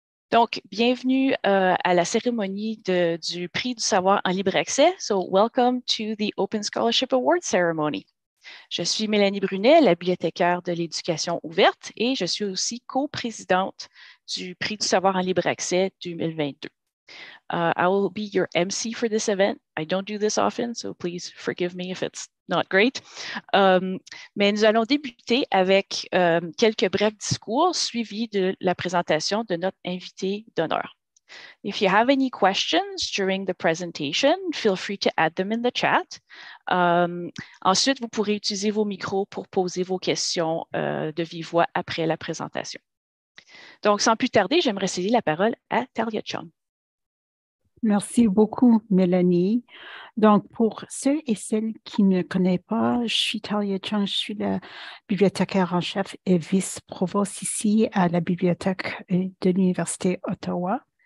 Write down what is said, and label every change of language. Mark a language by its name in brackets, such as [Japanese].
[French] Donc, bienvenue à la cérémonie du Prix du savoir en libre accès. [English] So, welcome to the Open Scholarship Award Ceremony. [French] Je suis Mélanie Brunet, la bibliothécaire de l'éducation ouverte et je suis aussi co-présidente du Prix du savoir en libre accès 2022. [English] I will be your MC for this event. I don't do this often, so please forgive me if it's not great. [French] Mais nous allons débuter avec quelques brefs discours suivis de la présentation de notre invité d'honneur. [English] If you have any questions during the presentation, feel free to add them in the chat. [French] Ensuite, vous pourrez utiliser vos micros pour poser vos questions de vive voix après la présentation. Donc, sans plus tarder, j'aimerais céder la parole à Talia Chung. Merci beaucoup, Mélanie. Donc, pour ceux et celles qui ne me connaissent pas, je suis Talia Chung, je suis la bibliothécaire en chef et vice-provost ici à la Bibliothèque de l'Université Ottawa.